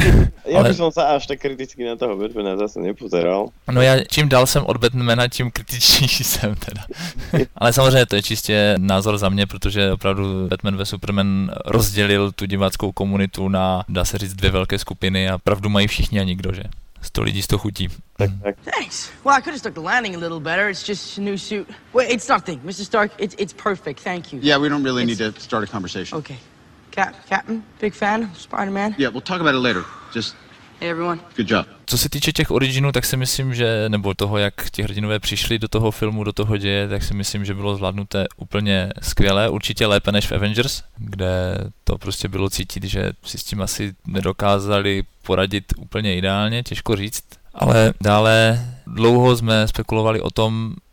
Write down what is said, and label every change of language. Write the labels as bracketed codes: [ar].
[cs] ale... Já bych se až tak kriticky na toho Batmana zase nepozeral. No já čím dál jsem od Batmana, tím kritičnější jsem teda. Ale samozřejmě to je čistě názor za mě, protože opravdu Batman ve Superman rozdělil tu diváckou komunitu na, dá se říct, dvě velké skupiny a pravdu mají všichni a nikdo, že? 100 lidí 100 chutí. Tak. [en] Thanks. Well, I could have stuck the landing a little better. It's just a new suit. Wait, it's nothing. Mr. Stark, it's perfect. Thank you. Yeah, we don't really need to start a conversation. Okay. Captain, big fan of Spider-Man. Yeah, we'll talk about it later. Just hey everyone. Good job. [cs] Co se týče těch originů, tak si myslím, že nebo toho, jak ti hrdinové přišli do toho filmu, do toho děje, tak si myslím, že bylo zvládnuté úplně skvěle, určitě lépe než v Avengers, kde to prostě bylo cítit, že si s tím asi nedokázali poradit úplně ideálně, těžko říct. Ale dále dlouho jsme spekulovali o tom,